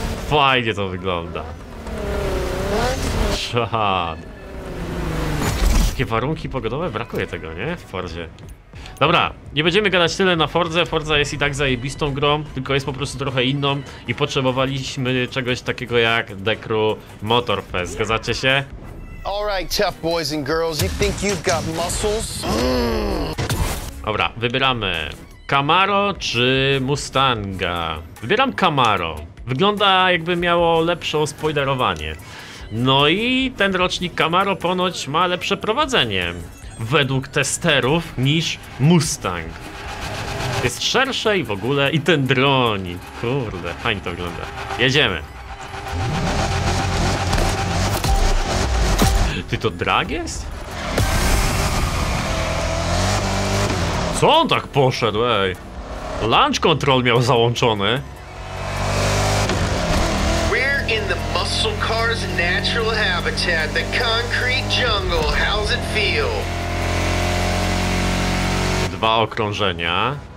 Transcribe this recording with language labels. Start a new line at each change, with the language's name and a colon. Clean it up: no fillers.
Polish: fajnie to wygląda. Szad. Jakie warunki pogodowe? Brakuje tego, nie? W Forzie. Dobra, nie będziemy gadać tyle na Forze. Forza jest i tak zajebistą grą, tylko jest po prostu trochę inną i potrzebowaliśmy czegoś takiego jak The Crew Motorfest. Zgadzacie się?
English: All right, tough boys and girls, you think you've got muscles?
Polish: Dobra, wybieramy Camaro czy Mustanga? Wybieram Camaro. Wygląda jakby miało lepsze spoilerowanie. No i ten rocznik Camaro ponoć ma lepsze prowadzenie według testerów niż Mustang. Jest szersze i w ogóle i ten dron. Kurde, fajnie to wygląda. Jedziemy. Ty, to drag jest? Co on tak poszedł, ej? Launch control miał załączony.
English: We're in the muscle car's natural habitat, the concrete jungle. How's it feel?
Polish: Dwa okrążenia.